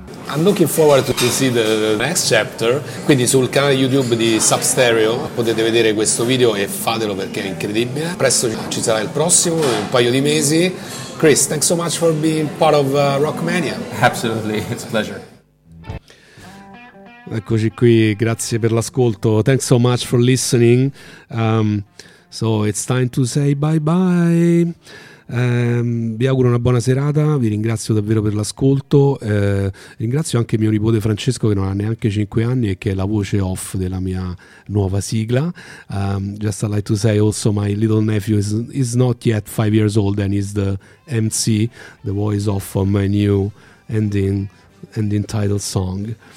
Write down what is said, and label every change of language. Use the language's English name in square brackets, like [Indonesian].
[English] I'm looking forward to see the next chapter. [Italian] Quindi sul canale YouTube di Sub Stereo potete vedere questo video e fatelo perché è incredibile. Presto ci sarà il prossimo, in un paio di mesi. [English] Chris, thanks so much for being part of Rockmania. Absolutely, it's a pleasure. [Italian] Eccoci qui, grazie per l'ascolto. [English] Thanks so much for listening. So it's time to say bye bye. [Italian] Vi auguro una buona serata, vi ringrazio davvero per l'ascolto. Ringrazio anche mio nipote Francesco, che non ha neanche 5 anni e che è la voce off della mia nuova sigla. [English] Just I'd like to say also my little nephew is not yet 5 years old and is the MC, the voice off of my new ending title song.